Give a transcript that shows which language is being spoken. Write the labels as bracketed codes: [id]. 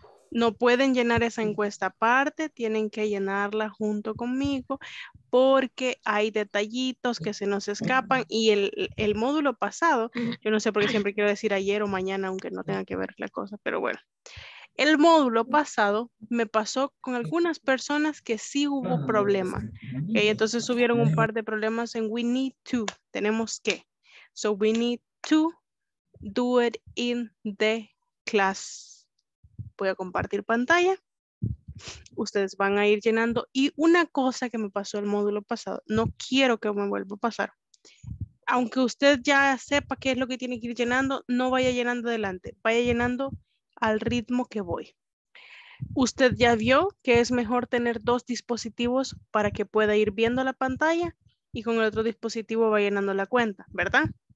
[es] No pueden llenar esa encuesta aparte, tienen que llenarla junto conmigo porque hay detallitos que se nos escapan y el módulo pasado, yo no sé por qué siempre quiero decir ayer o mañana, aunque no tenga que ver la cosa, pero bueno. El módulo pasado me pasó con algunas personas que sí hubo problema. Okay, entonces subieron un par de problemas en [en] we need to, [es] tenemos que. [en] So we need to do it in the class. [es] Voy a compartir pantalla. Ustedes van a ir llenando. Y una cosa que me pasó el módulo pasado, no quiero que me vuelva a pasar. Aunque usted ya sepa qué es lo que tiene que ir llenando, no vaya llenando adelante, vaya llenando al ritmo que voy. Usted ya vio que es mejor tener dos dispositivos para que pueda ir viendo la pantalla y con el otro dispositivo va llenando la cuenta, ¿verdad?